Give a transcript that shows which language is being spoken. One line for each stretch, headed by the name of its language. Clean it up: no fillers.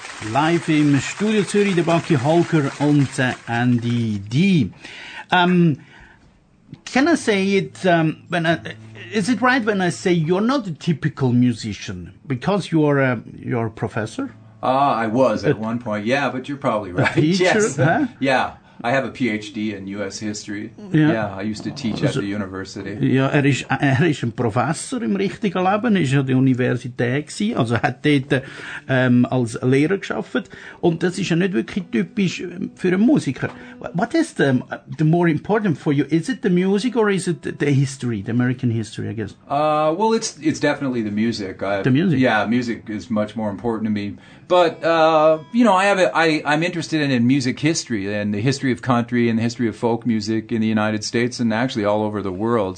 German: Live im Studio Zürich, der Bucky Holker und Andy D.
English: Can I say it, is it right when I say you're not a typical musician? Because you're a professor? I was at one point. Yeah, but you're probably right. Yes. Yeah. I have a PhD in U.S. history. Yeah. I used to teach at the university.
German: Ja, er ist ein Professor im richtigen Leben. Er ist an der Universität gewesen. Also hat dort, als Lehrer gearbeitet. Und das ist ja nicht wirklich typisch für einen Musiker.
English: What is the more important for you? Is it the music or is it the history, the American history, I guess? Well, it's definitely the music. Yeah, music is much more important to me. But, you know, I'm interested in music history and the history of country and the history of folk music in the United States and actually all over the world.